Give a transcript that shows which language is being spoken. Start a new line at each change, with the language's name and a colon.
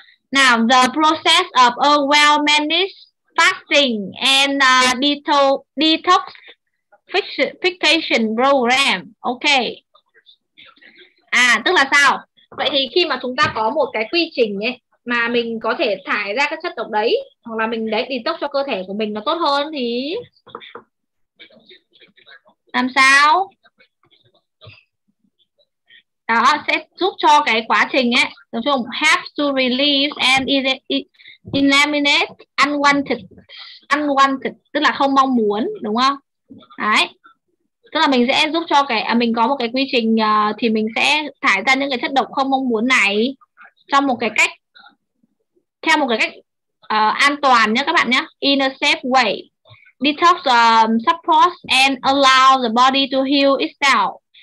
English: Now, the process of a well-managed fasting and detoxification program.
Vietnamese: Ok. À, tức là sao? Vậy thì khi mà chúng ta có một cái quy trình ấy, mà mình có thể thải ra các chất độc đấy, hoặc là mình đấy detox cho cơ thể của mình nó tốt hơn, thì làm sao? Đó sẽ giúp cho cái quá trình ấy, nói chung, have to release and eliminate unwanted, tức là không mong muốn, đúng không? Đấy. Tức là mình sẽ giúp cho mình có một cái quy trình thì mình sẽ thải ra những cái chất độc không mong muốn này trong một cái cách, theo một cái cách an toàn nhé các bạn nhé.
English: In a safe way, detox supports and allow the body to heal itself.